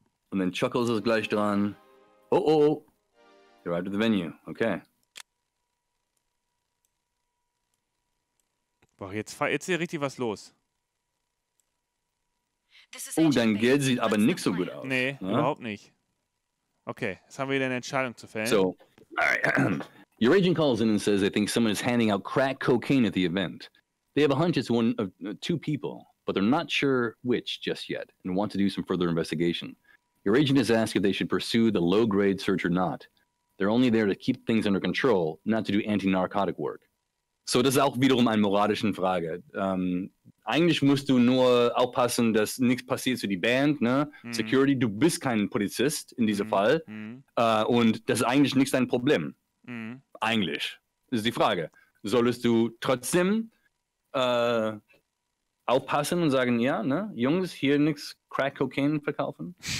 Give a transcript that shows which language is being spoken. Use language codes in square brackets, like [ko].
[de] Und dann Chuckles ist gleich dran. Oh, oh, oh. [en] You're right at the venue. [de] Okay. Boah, jetzt ist hier richtig was los. Oh, dein Geld sieht aber nicht so gut aus. Nee, überhaupt nicht. Okay, jetzt haben wir wieder eine Entscheidung zu fällen. [en] So, your agent calls in and says they think someone is handing out crack cocaine at the event. They have a hunch it's one of two people, but they're not sure which just yet and want to do some further investigation. Your agent is asked if they should pursue the low-grade search or not. They're only there to keep things under control, not to do anti-narcotic work. [de] So das ist auch wiederum eine moralische Frage. Eigentlich musst du nur aufpassen, dass nichts passiert zu der Band. Ne? Mhm. Security, du bist kein Polizist in diesem Fall. Mhm. Und das ist eigentlich nicht dein Problem. Mhm. Eigentlich. Das ist die Frage. Solltest du trotzdem aufpassen und sagen, ja, ne, Jungs, hier nichts Crack-Cocaine verkaufen?